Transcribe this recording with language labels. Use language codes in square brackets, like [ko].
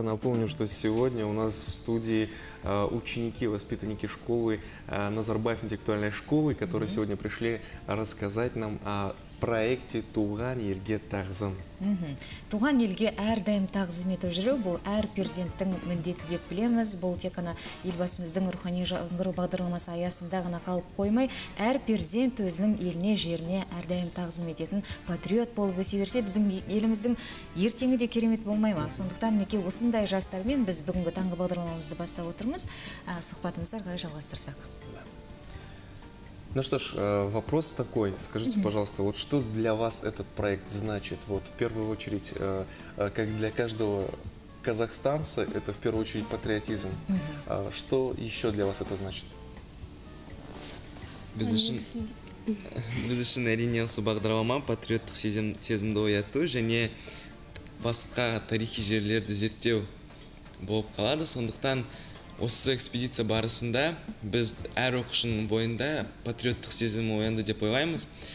[ru] Напомню, что сегодня у нас в студии ученики, воспитанники школы Назарбаев интеллектуальной школы, которые mm-hmm. сегодня пришли рассказать нам о проекте «Туған елге тағзым». [kk] Туған елге әрдайым тағзым ету жүріп, бұл әр перзенттің міндеті деп білеміз. Бұл тек ана елбасымыздың рухани жаңғыру бағдарламасы аясында ғана қалып қоймай, әр перзент өзінің еліне жеріне әрдайым тағзым ететін патриот болып өсе берсе, біздің еліміздің ертеңі де керемет болмай ма? Сондықтан неке осындай жастармен біз бүгінгі таңғы бағдарламамызды бастап отырмыз. Сұхбатымызды ары қарай жалғастырсақ. [ru] Ну что ж, вопрос такой. Скажите, пожалуйста, вот что для вас этот проект значит? Вот в первую очередь, как для каждого казахстанца, это в первую очередь патриотизм. Что еще для вас это значит? [kk] Біз үшін әрине осы бағдарлама патриоттық сезімді ояту және басқа тарихи жерлерді зерттеу болып қалады. Сондықтан осы экспедиция барысында біз әр оқушының бойында патриоттық сезімі оянды деп ойлаймыз.